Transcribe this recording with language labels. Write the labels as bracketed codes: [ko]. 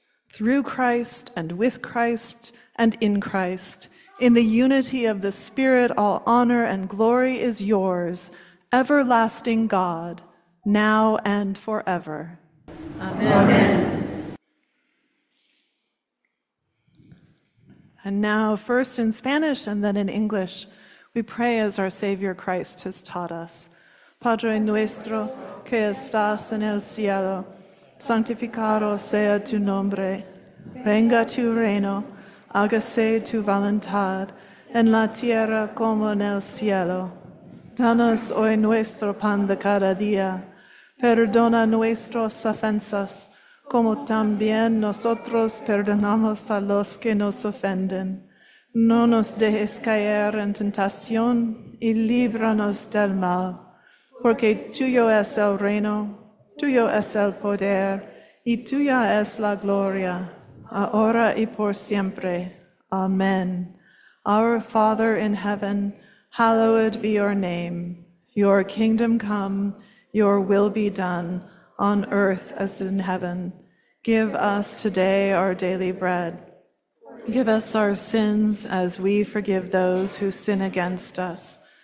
[en] Through Christ and with Christ and in Christ, in the unity of the Spirit, all honor and glory is yours, everlasting God, now and forever. Amen. And now, first in Spanish and then in English, we pray as our Savior Christ has taught us. [es] Padre nuestro que estás en el cielo, santificado sea tu nombre, venga tu reino, hágase tu voluntad, en la tierra como en el cielo. Danos hoy nuestro pan de cada día. Perdona nuestras ofensas, como también nosotros perdonamos a los que nos ofenden. No nos dejes caer en tentación, y líbranos del mal. Porque tuyo es el reino, tuyo es el poder, y tuya es la gloria, ahora y por siempre. [en] Amen. Our Father in heaven, hallowed be your name. Your kingdom come, your will be done, on earth as in heaven. Give us today our daily bread. Give us our sins as we forgive those who sin against us.